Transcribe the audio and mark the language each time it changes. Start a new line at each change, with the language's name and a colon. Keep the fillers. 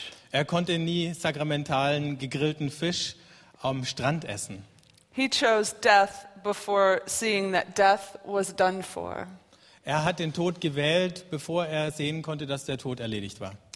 German: Er konnte nie sakramentalen gegrillten Fisch am Strand essen.
English: He chose death before seeing that death was done for.
German: Er hat den Tod gewählt, bevor er sehen konnte, dass der Tod erledigt war.